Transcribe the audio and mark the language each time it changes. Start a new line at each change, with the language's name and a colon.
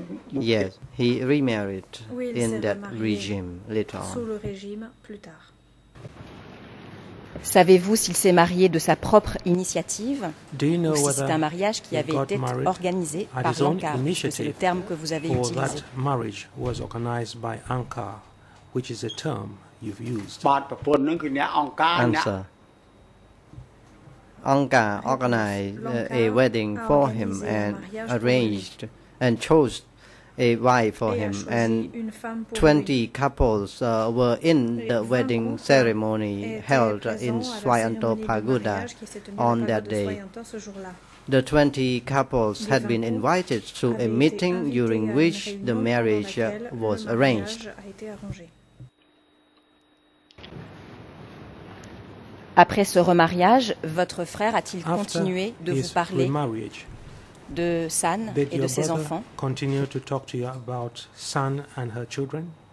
English: Yes, he remarried in that regime later on.
French: Sous le régime plus tard. Savez-vous s'il s'est marié de sa propre initiative
English: you know
French: ou si c'est un mariage qui avait été organisé par Anka, c'est le terme que vous avez utilisé?
English: That marriage was organized by Anka, which is a term you've used. Answer. Anka organized a wedding for him and arranged and chose a wife for him, and 20 couples were in the wedding ceremony held in Swayanto Pagoda on that day. The 20 couples had been invited to a meeting during which the marriage was arranged.
French: Après ce remariage, votre frère a-t-il continué de vous parler de San et de ses enfants?
English: Continue to talk to you about San and her children?